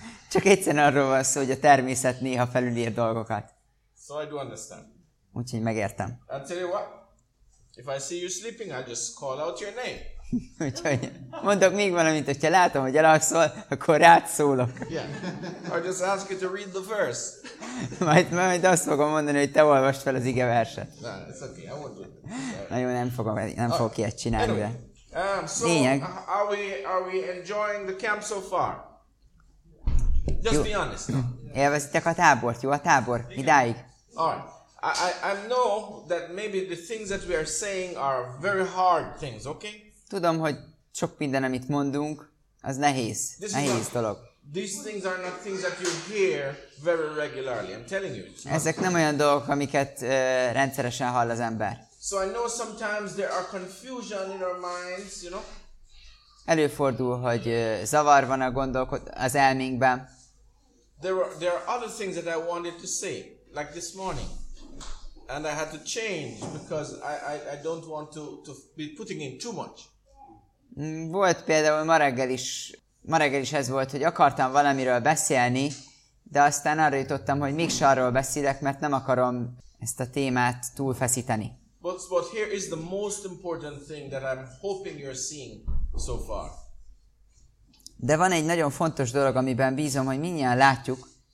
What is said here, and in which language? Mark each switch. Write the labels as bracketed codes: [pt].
[hu] Csak egyszerűen arról van szó, hogy a természet néha felülír dolgokat. [en] So I do understand. [hu] Úgyhogy megértem. [en] I'll tell you what. If I see you sleeping, I'll just call out your name. [hu] Úgyhogy mondok még valamit, hogyha látom, hogy elalszol, akkor rád szólok. [en] Yeah. I'll just ask you to read the verse. [hu] Majd azt fogom mondani, hogy te olvasd fel az ige verset. [en] No, it's okay. I won't do it. [hu] Na jó, nem fogok ilyet csinálni, de. Lényeg. [en] Are we enjoying the camp so far? Just be honest. [hu] Élvezitek a tábort, jó a tábor, idáig. [en] I know that maybe the things that we are saying are very hard things, okay? [hu] Tudom, hogy sok minden, amit mondunk, az nehéz dolog. [en] These things are not things that you hear very regularly. I'm telling you. [hu] Ezek nem olyan dolgok, amiket rendszeresen hall az ember. [en] So I know sometimes there are confusion in our minds, you know? [hu] Előfordul, hogy zavar van a az elménkben. [en] There are other things that I wanted to say, like this morning, and I had to change because I don't want to be putting in too much. [hu] Volt például ma reggel is ez volt, hogy akartam valamiről beszélni, de aztán arra jutottam, hogy még arról beszélek, mert nem akarom ezt a témát túl feszíteni. [en] But here is the most important thing that I'm hoping you're seeing so far. [hu] De van egy nagyon fontos dolog, amiben bízom, hogy mindjárt látjuk.